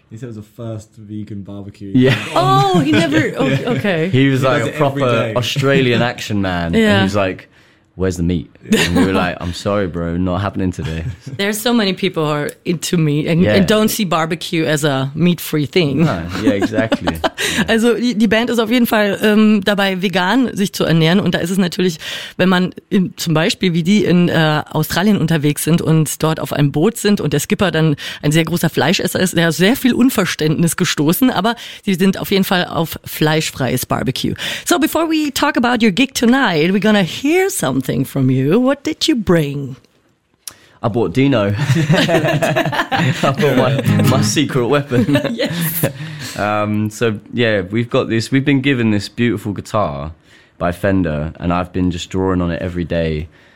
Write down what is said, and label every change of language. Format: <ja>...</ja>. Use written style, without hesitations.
<en>He said it was the first vegan barbecue. Yeah. Oh, he never... Okay. He was like a proper Australian action man. Yeah. And he was like, where's the meat? And we were like, I'm sorry, bro, not happening today. There are so many people who are into meat and, yeah. and don't see barbecue as a meat-free thing. No. Yeah, exactly.</en> <de>Also die Band ist auf jeden Fall dabei, vegan sich zu ernähren. Und da ist es natürlich, wenn man zum Beispiel wie die in Australien unterwegs sind und dort auf einem Boot sind und der Skipper dann ein sehr großer Fleischesser ist, der hat sehr viel Unverständnis gestoßen. Aber sie sind auf jeden Fall auf fleischfreies Barbecue.</de> <en>So before we talk about your gig tonight, we're gonna hear something from you. What did you bring? I bought Dino. I bought my secret weapon. we've got this. We've been given this beautiful guitar by Fender, and I've been just drawing on it every day.</en>